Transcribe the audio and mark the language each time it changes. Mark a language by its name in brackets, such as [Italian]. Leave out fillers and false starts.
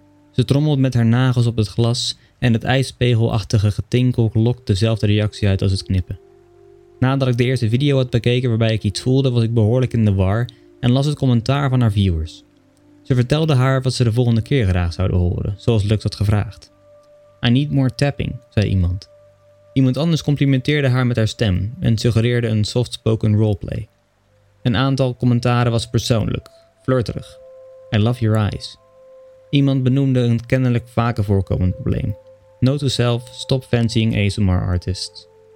[Dutch] Ze trommelt met haar nagels op het glas en het ijspegelachtige getinkel lokt dezelfde reactie uit als het knippen. Nadat ik de eerste video had bekeken waarbij ik iets voelde, was ik behoorlijk in de war en las het commentaar van haar viewers. Ze vertelde haar wat ze de volgende keer graag zouden horen, zoals Lux had gevraagd. [English] I need more tapping, [Dutch] zei iemand. Iemand anders complimenteerde haar met haar stem en suggereerde een soft-spoken roleplay. Een aantal commentaren was persoonlijk, flirterig. [English] I love your eyes. [Dutch] Iemand benoemde een kennelijk vaker voorkomend probleem. [English] Note to self, stop fancying ASMR artists.